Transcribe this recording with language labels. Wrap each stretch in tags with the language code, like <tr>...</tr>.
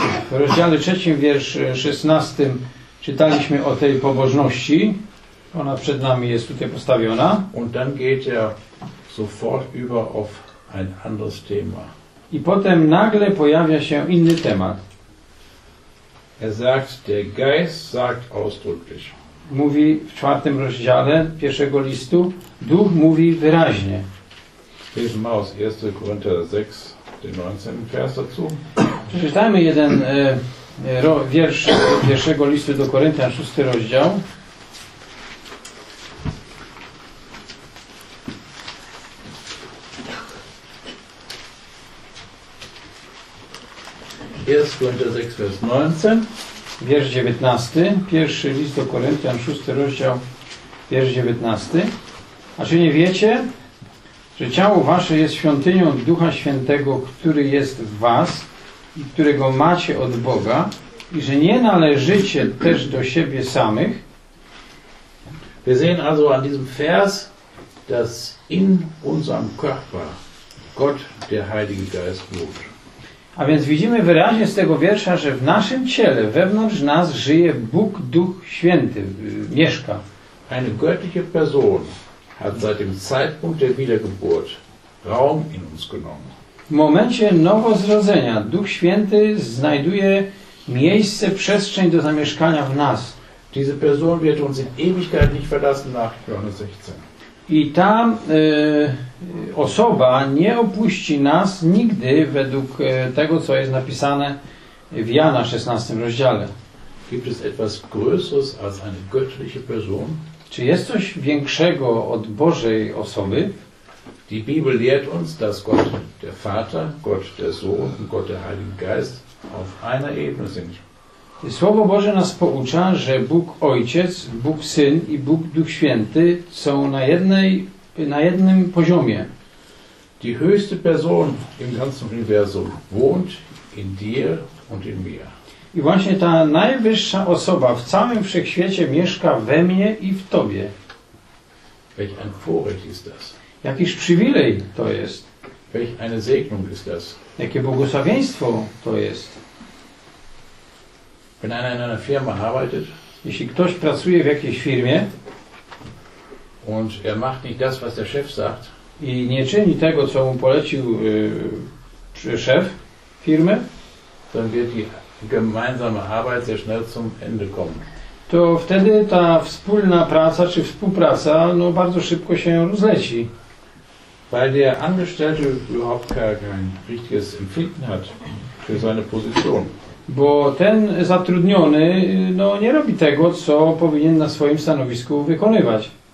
<pl>W rozdziale 3, wiersz 16 czytaliśmy o tej pobożności. Ona przed nami jest tutaj postawiona.</pl> <de>Und dann geht er sofort über auf ein anderes Thema.</de> <pl>I potem nagle pojawia się inny temat.</pl> <de>Er sagt, der Geist sagt ausdrücklich.</de> <pl>Mówi w 4 rozdziale pierwszego listu, Duch mówi wyraźnie. Przeczytajmy 1 Korinther 6, 19 wers</pl> <de>dazu.</de> <pl>Przeczytajmy jeden wiersz pierwszego listu do Koryntian, 6 rozdział. Jest</pl> <de>Korinther 6, vers 19.</de> <pl>Wiersz 19, pierwszy list do Koryntian, 6 rozdział, wiersz 19. A czy nie wiecie, że ciało wasze jest świątynią Ducha Świętego, który jest w was i którego macie od Boga, i że nie należycie też do siebie samych?</pl> <de>Wir sehen also an diesem Vers, dass in unserem Körper Gott der Heilige Geist wohnt.</de> <pl>A więc widzimy wyraźnie z tego wiersza, że w naszym ciele, wewnątrz nas żyje Bóg, Duch Święty, mieszka.</pl> <de>Eine göttliche Person hat seit dem Zeitpunkt der Wiedergeburt Raum in uns genommen.</de> <pl>W momencie nowozrodzenia Duch Święty znajduje miejsce, przestrzeń do zamieszkania w nas.</pl> <de>Diese Person wird uns in Ewigkeit nicht verlassen nach Johannes 16.</de> <pl>I ta osoba nie opuści nas nigdy według tego, co jest napisane w Jana 16 rozdziale.</pl> <de>Gibt es etwas größeres als eine göttliche Person?</de> <pl>Czy jest coś większego od Bożej osoby?</pl> <de>Die Bibel lehrt uns, dass Gott der Vater, Gott der Sohn und Gott der Heilige Geist auf einer Ebene sind.</de> <pl>Słowo Boże nas poucza, że Bóg Ojciec, Bóg Syn i Bóg Duch Święty są na jednym poziomie.</pl> <de>Die höchste Person im ganzen Universum wohnt in dir und in mir.</de> <pl>I właśnie ta najwyższa osoba w całym wszechświecie mieszka we mnie i w tobie.</pl> <de>Welch ein Vorrecht ist das?</de> <pl>Jakiż przywilej to jest?</pl> <de>Welch eine Segnung ist das?</de> <pl>Jakie błogosławieństwo to jest?</pl> <de>Wenn einer in einer Firma arbeitet,</de> <pl>jeśli ktoś pracuje w jakiejś firmie,</pl> <de>und er macht nicht das, was der Chef sagt,</de> <pl>i nie czyni tego, co mu polecił szef firmy,</pl> <de>dann wird die gemeinsame Arbeit sehr schnell zum Ende kommen.</de> <pl>To wtedy ta wspólna praca czy współpraca no bardzo szybko się rozleci.</pl> <de>Weil der Angestellte überhaupt kein richtiges Empfinden hat für seine Position.</de> <pl>Bo ten zatrudniony no, nie robi tego, co powinien na swoim stanowisku wykonywać.</pl>